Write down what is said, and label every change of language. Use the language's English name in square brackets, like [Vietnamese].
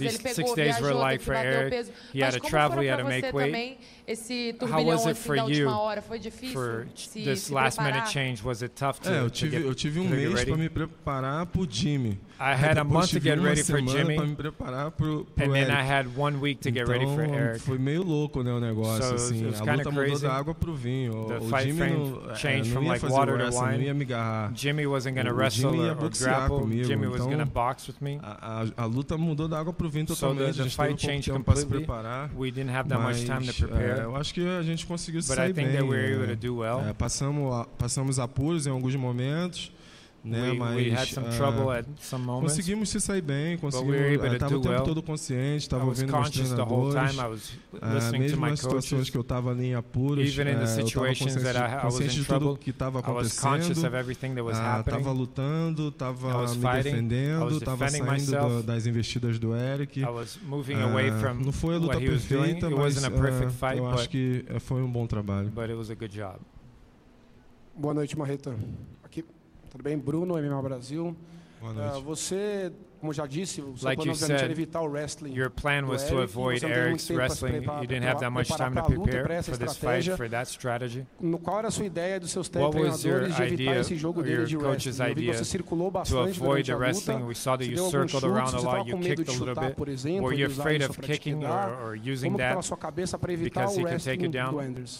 [Portuguese] Ele pegou, viajou, teve que bater o peso. [English] He had to travel, he had to make weight. [Portuguese] Esse turbilhão ao final de uma hora foi difícil. [English] For this last minute change, was it tough to? [Portuguese] Eu tive um mês para me preparar pro Jimmy. [English] I had a month to get ready for Jimmy. [Portuguese] Para me preparar pro Eric. [English] And then I had 1 week to get ready for Eric. [Portuguese] Foi meio louco, né, o negócio assim. A luta mudou da água pro vinho. O Jimmy não ia fazer o wrestling, não ia me agarrar. [English] Jimmy wasn't gonna wrestle or grapple. Jimmy was gonna box with me. [Portuguese] A luta mudou da água pro vinho totalmente. A gente teve pouco tempo para se preparar. [English] We didn't have that much time to prepare. [Portuguese] Eu acho que a gente conseguiu sair bem. [English] We well. [Portuguese] Passamos apuros em alguns momentos. né? Mas conseguimos se sair bem, estava o tempo todo consciente, estava ouvindo meus treinadores, mesmo nas situações que eu estava ali em apuros, estava consciente de tudo que estava acontecendo, estava lutando, estava me defendendo, estava saindo das investidas do Eric. Não foi a luta perfeita, mas eu acho que foi um bom trabalho. Boa noite, Marreta. Aqui, tudo bem? Bruno, MMA Brasil. Boa noite. Você, como já disse, o seu plano era evitar o wrestling. [English] Your plan was to avoid Eric's wrestling. You didn't have that much time to prepare for this fight, for that strategy. [Portuguese] Qual era a sua ideia dos seus treinadores de evitar esse jogo dele de wrestling? Eu vi que você circulou bastante durante a luta. [English] We saw that you circled around a lot. You kicked a little bit. Were you afraid of kicking or using that? [Portuguese] Como estava sua cabeça para evitar o wrestling do Anders?